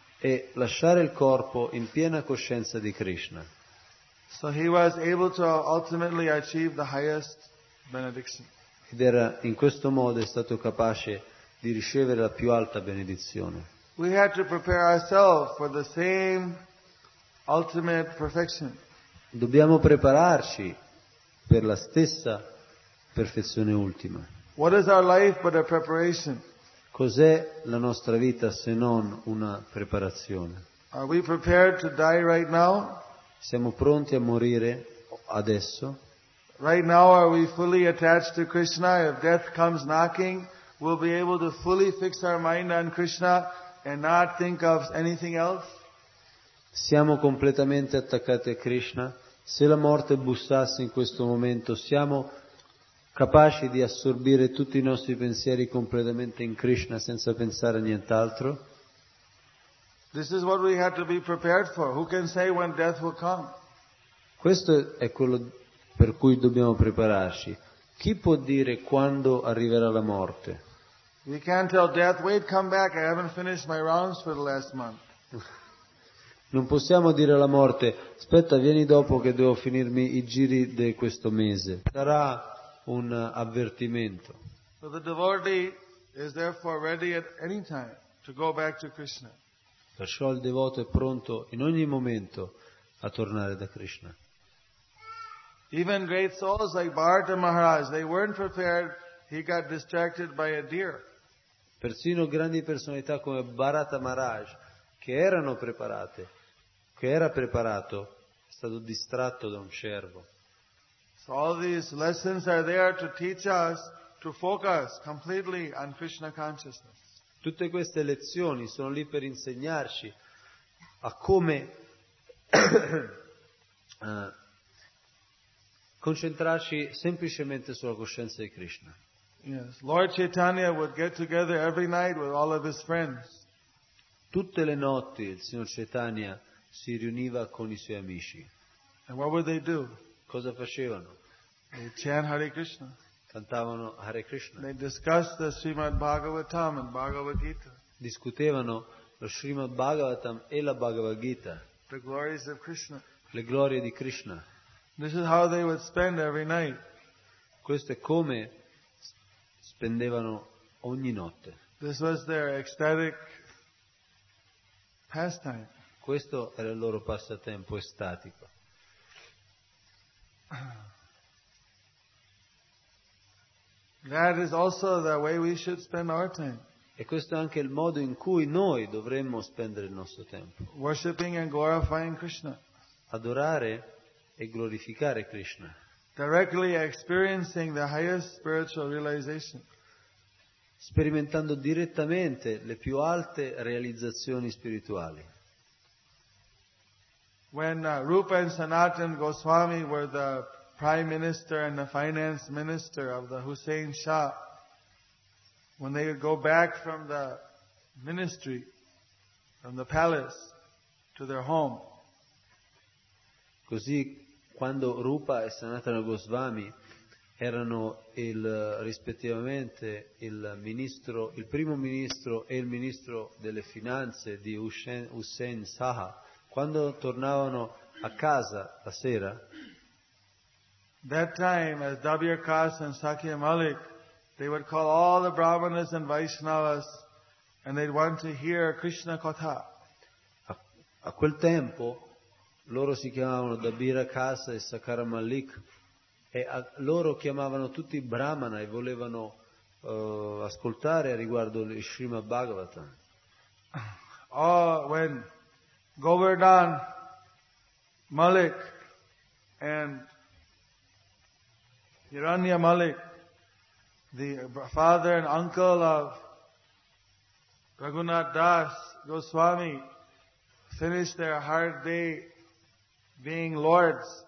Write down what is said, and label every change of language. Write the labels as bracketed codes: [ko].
[it] E lasciare il corpo in piena coscienza di Krishna. [en] So he was able to ultimately achieve the highest benediction. [it] Ed era in questo modo è stato capace di ricevere la più alta benedizione. [en] We had to prepare ourselves for the same ultimate perfection. [it] Dobbiamo prepararci per la stessa perfezione ultima. [en] What is our life but a preparation? [it] Cos'è la nostra vita se non una preparazione? [en] Are we prepared to die right now? [it] Siamo pronti a morire adesso? [en] Right now, are we fully attached to Krishna? If death comes knocking, we'll be able to fully fix our mind on Krishna and not think of anything else? [it] Siamo completamente attaccati a Krishna. Se la morte bussasse in questo momento, siamo capaci di assorbire tutti i nostri pensieri completamente in Krishna senza pensare a nient'altro? [en] This is what we have to be prepared for. Who can say when death will come? [it] Questo è quello per cui dobbiamo prepararci. Chi può dire quando arriverà la morte? [en] We can't tell death, wait, come back, I haven't finished my rounds for the last month. [it] Non possiamo dire alla morte, aspetta, vieni dopo che devo finirmi i giri di questo mese. Sarà un avvertimento. [en] So the devotee is therefore ready at any time to go back to Krishna. [it] Perciò il devoto è pronto in ogni momento a tornare da Krishna. [en] Even great souls like Bharata Maharaj, they weren't prepared, he got distracted by a deer. [it] Persino grandi personalità come Bharata Maharaj, che erano preparate, che era preparato, è stato distratto da un cervo. [en] So all these lessons are there to teach us to focus completely on Krishna consciousness. [it] Tutte queste lezioni sono lì per insegnarci a come concentrarci semplicemente sulla coscienza di Krishna. [en] Yes, Lord Chaitanya would get together every night with all of his friends. [it] Tutte le notti il signor Chaitanya si riuniva con i suoi amici. [en] And what would they do? [it] Cosa facevano? [en] They chant Hare Krishna. [it] Cantavano Hare Krishna. [en] They discussed the Srimad Bhagavatam and Bhagavad Gita. [it] Discutevano lo Srimad Bhagavatam e la Bhagavad Gita. [en] The glories of Krishna. [it] Le glorie di Krishna. [en] This is how they would spend every night. [it] Questo è come spendevano ogni notte. [en] This was their ecstatic pastime. [it] Questo era il loro passatempo estatico. [en] That is also the way we should spend our time. [it] E questo è anche il modo in cui noi dovremmo spendere il nostro tempo. [en] Worshipping and glorifying Krishna. [it] Adorare e glorificare Krishna. [en] Directly experiencing the highest spiritual realization. [it] Sperimentando direttamente le più alte realizzazioni spirituali. [en] When Rupa and Sanatan Goswami were the Prime Minister and the Finance Minister of the Hussein Shah, when they would go back from the ministry, from the palace, to their home. [it] Così, quando Rupa e Sanatana Goswami erano rispettivamente il ministro, il primo ministro e il ministro delle finanze di Hussein Shah, quando tornavano a casa la sera, [en] that time, as Dabirkas and Sakya Malik, they would call all the Brahmanas and Vaishnavas and they'd want to hear Krishna Katha. [it] A quel tempo, loro si chiamavano Dabirkas e Sakara Malik e loro chiamavano tutti Brahmana e volevano ascoltare riguardo il Srimad Bhagavatam. [en] Oh, when Govardhan Malik and Hiranya Malik, the father and uncle of Raghunath Das Goswami, finished their hard day being lords.